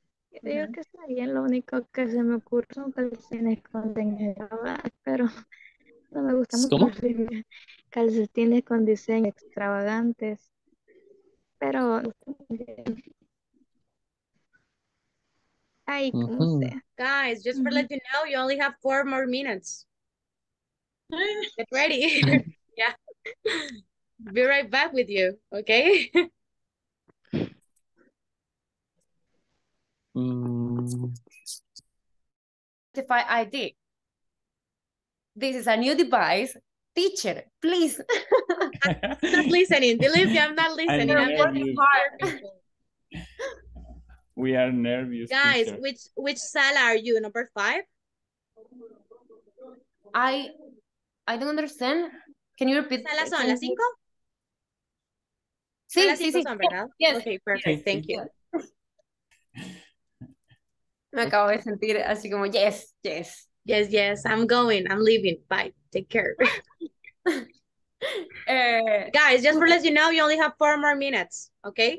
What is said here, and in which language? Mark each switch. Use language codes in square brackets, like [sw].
[es] Creo que está bien, lo único que se me ocurre son calcetines con diseño, pero no me gusta mucho. ¿Cómo? Calcetines con diseño extravagantes, pero ay, ¿cómo sé? [en] Guys, just for letting you know, you only have 4 more minutes. Get ready. Yeah. Be right back with you, okay? Identify ID. This is a new device. Teacher, please. I'm not listening. Believe me, I'm not listening. I'm working hard. We are nervous. Guys, teacher. Which cell are you? Number 5? I don't understand. Can you repeat? [es] ¿Salas son las 5? Sí, sí, sí. [en] Yes. Okay, perfect. Thank you. [es] Me acabo de sentir así como, [en] yes, yes. Yes, yes, I'm going, I'm leaving. Bye, take care. Guys, just for let you know, you only have 4 more minutes, okay?